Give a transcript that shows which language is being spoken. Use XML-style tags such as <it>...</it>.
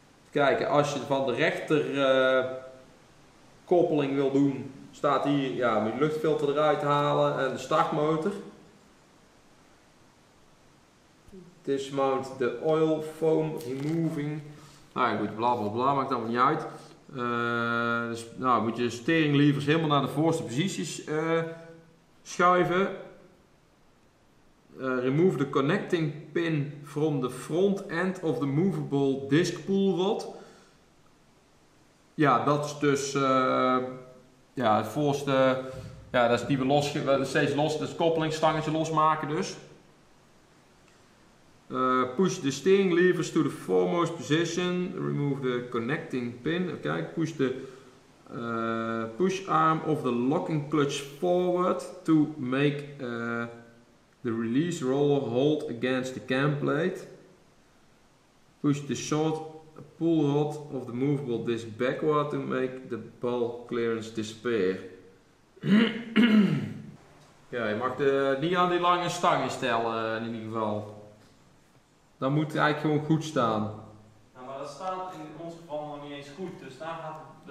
<nl>Kijken, als je van de rechter koppeling wil doen, staat hier, ja, moet je de luchtfilter eruit halen en de startmotor.</nl> <en>Dismount the oil foam removing.</en> <nl>Nou goed, bla bla bla, maakt allemaal niet uit. Dus, nou, moet je de steringlevers helemaal naar de voorste posities schuiven.</nl> <en>Remove the connecting pin from the front end of the movable disc pull rod.</en> <nl>Ja, dat is dus ja, het voorste. Ja, dat is die we los, steeds los, dat is het koppelingsstangetje losmaken dus.</nl> <en>Push the steering levers to the foremost position. Remove the connecting pin. Kijk, push the push arm of the locking clutch forward to make the release roller hold against the cam plate. Push the short pull rod of the movable disc backward to make the ball clearance disappear.</en> <nl>Ja, je mag niet aan die lange stangen stellen in ieder geval. Dan moet het eigenlijk gewoon goed staan. Ja, maar dat staat in ons geval nog niet eens goed, dus daar gaat het.</nl>